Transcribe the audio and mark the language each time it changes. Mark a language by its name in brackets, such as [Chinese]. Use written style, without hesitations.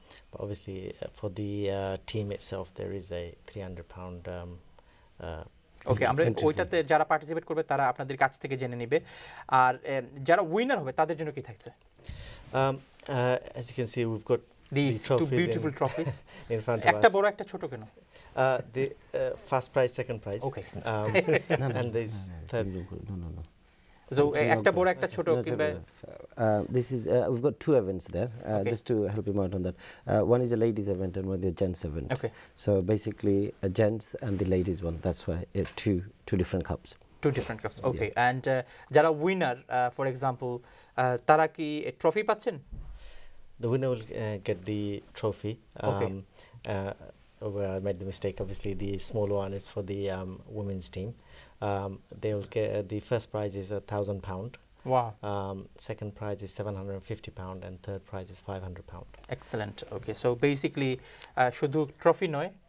[English] But obviously, for the team itself, there is a £300 [Bangla] ওকে আমরা ওইটাতে যারা পার্টিসিপেট করবে তারা আপনাদের কাছ থেকে জেনে নেবে, আর যারা উইনার হবে তাদের জন্য কি থাকছে? [English] As you can see, we've got These two beautiful trophies in front of [Bangla] us. একটা বড় একটা ছোট কেন? [English] The first prize, second prize. Okay. and this third. [Bangla] So, একটা বড় একটা ছোট কিবে? [English] This is we've got two events there. Just to help him out on that. One is a ladies event and one is a gents event. Okay. So basically a gents and the ladies one. That's why two different cups. Two different cups. Okay. Yeah. And [Bangla] যারা [English] winner, for example, [Bangla] তারা কি trophy পাচ্ছেন? [English] The winner will get the trophy. Okay. Where I made the mistake, obviously the smaller one is for the women's team. They will get the first prize is £1,000. Wow. Second prize is £750 and third prize is £500. Excellent. Okay. So basically, [Bangla] shudhu trophy noy,